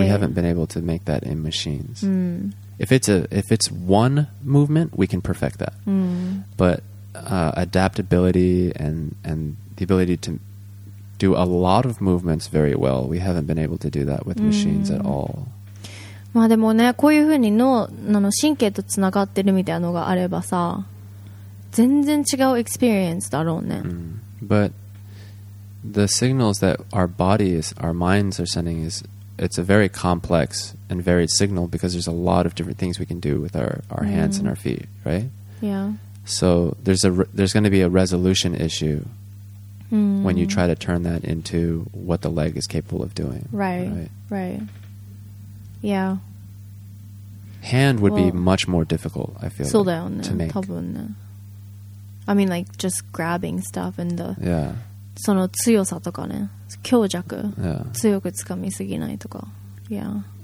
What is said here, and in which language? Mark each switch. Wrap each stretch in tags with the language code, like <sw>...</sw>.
<en>We haven't been able to make that in machines. Mm. If it's one movement, we can perfect that. Mm. But adaptability and the ability to do a lot of movements very well, we haven't been able to do that with machines at all.</en> <ja>まあでもね、こういうふうに脳の神経とつながってるみたいなのがあればさ、全然違うエクスペリエンスだろうね。 Mm.</ja> <en>But the signals that our bodies, our minds are sending is, it's a very complex and varied signal because there's a lot of different things we can do with our hands and our feet, right? Yeah. So there's going to be a resolution issue when you try to turn that into what the leg is capable of doing. Right. Yeah. Hand would be much more difficult, I feel so like, down to make.</en> <ja>多分ね。</ja> <en>I mean, like, just grabbing stuff and the... Yeah.</en> <ja>その強さとかね、強弱、強くつかみすぎないとか、yeah.</ja>